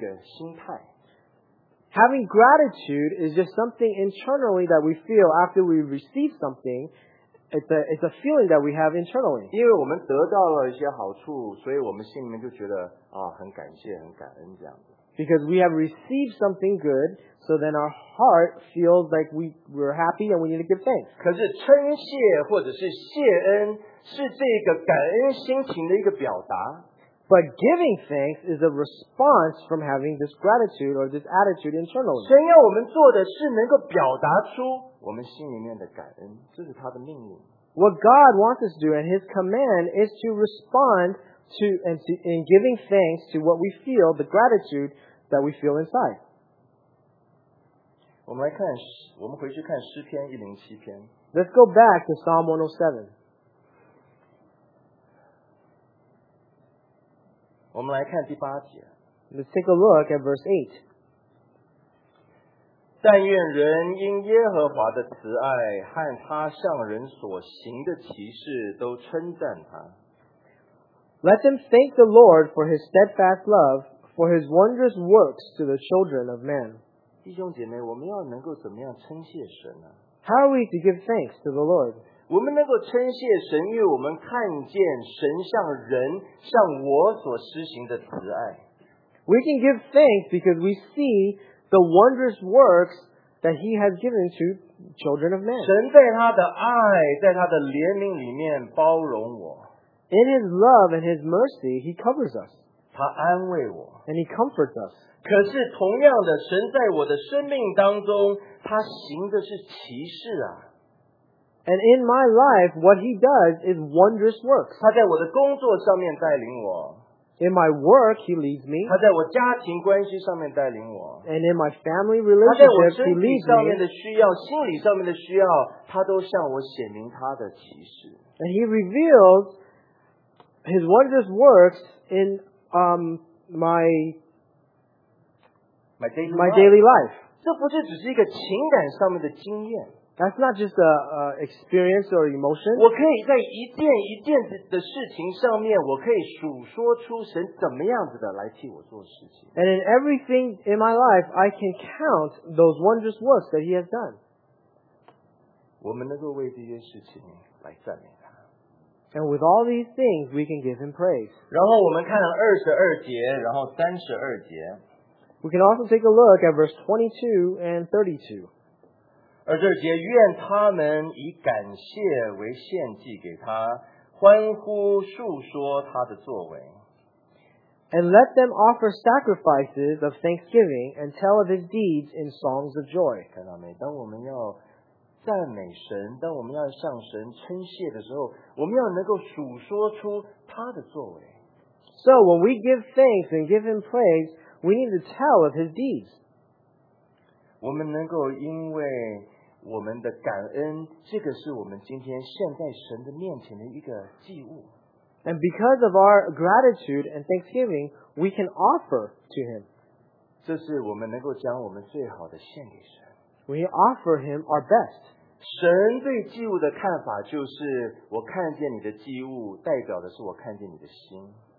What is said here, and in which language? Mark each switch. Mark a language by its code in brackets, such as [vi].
[zh] 感恩是心里面，因为我们得到了，所以呢，我们有一个很感谢的一个心态。 [en] Having gratitude is just something internally that we feel after we receive something. It's a feeling that we have internally. [zh] 因为我们得到了一些好处，所以我们心里面就觉得啊，很感谢，很感恩这样子。 [en] Because we have received something good, so then our heart feels like we're happy and we need to give thanks. [zh] 可是称谢或者是谢恩是这个感恩心情的一个表达。 [en] But giving thanks is a response from having this gratitude or this attitude internally. [zh] 神要我们做的是能够表达出我们心里面的感恩，这是他的命令。 [en] What God wants us to do and His command is to respond to and to, in giving thanks to what we feel, the gratitude that we feel inside. [zh] 我们回去看诗篇107篇。 [en] Let's go back to Psalm 107. [zh] 我们来看第八节。 [en] Let's take a look at verse 8. [zh] 但愿人因耶和华的慈爱和他向人所行的奇事都称赞他。 [en] Let them thank the Lord for his steadfast love, for his wondrous works to the children of men. [zh] 弟兄姐妹，我们要能够怎么样称谢神呢？ [en] How are we to give thanks to the Lord? [zh] 我们能够称谢神，因为我们看见神向人、向我所施行的慈爱。 [en] We can give thanks because we see the wondrous works that He has given to children of men. [zh] 神在他的爱、在他的怜悯里面包容我。 [en] In His love and His mercy, He covers us. [zh] 他安慰我。 [en] And He comforts us. [zh] 可是同样的，神在我的生命当中，他行的是奇事啊。 [en] And in my life, what he does is wondrous works. [zh] 他在我的工作上面带领我。 [en] In my work, he leads me. [zh] 他在我家庭关系上面带领我。 [en] And in my family relationship, he leads me. [zh] 他在我身体上面的需要，心理上面的需要，他都向我显明他的奇事。 [en] And he reveals his wondrous works in my daily life. [zh] 这不是只是一个情感上面的经验。 [en] That's not just a experience or emotion. [zh] 我可以在一件一件的事情上面，我可以数说出神怎么样子的来替我做事情。 [en] And in everything in my life, I can count those wondrous works that He has done. [zh] 我们能够为这些事情来赞美他。 [en] And with all these things, we can give Him praise. [zh] 然后我们看22节，然后32节。 [en] We can also take a look at verse 22 and 32. [zh] 而这节愿他们以感谢为献祭给他，欢呼述说他的作为。 [en] And let them offer sacrifices of thanksgiving and tell of his deeds in songs of joy. [zh] 看到没？当我们要赞美神，当我们要向神称谢的时候，我们要能够述说出他的作为。 [en] So when we give thanks and give him praise,We need to tell of his deeds. [zh] 我们能够因为我们的感恩，这个是我们今天献在神的面前的一个祭物。 [en] And because of our gratitude and thanksgiving, we can offer to him. [zh] 这是我们能够将我们最好的献给神。 [en] We offer him our best. [zh] 神对祭物的看法就是，我看见你的祭物，代表的是我看见你的心。